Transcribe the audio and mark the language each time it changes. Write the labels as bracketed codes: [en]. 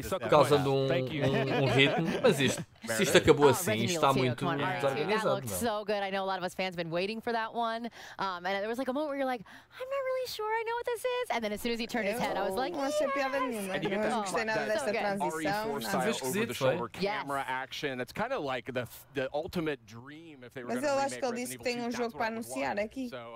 [pt] Causando um ritmo. Mas isto, se isto acabou assim, está muito desorganizado. [en] That looked so good. I know a lot of us fans have been waiting for that one. And there was like a moment where you're like, I'm not really sure I know what this is. And then as soon as he turned his head, I was [pt] Não piada nenhuma. Não gostei nada dessa transição. Mas esquisito, foi? [en] Yes. Kind of like the ultimate dream if they were. [pt] Mas eu acho que ele disse que tem um jogo para anunciar aqui.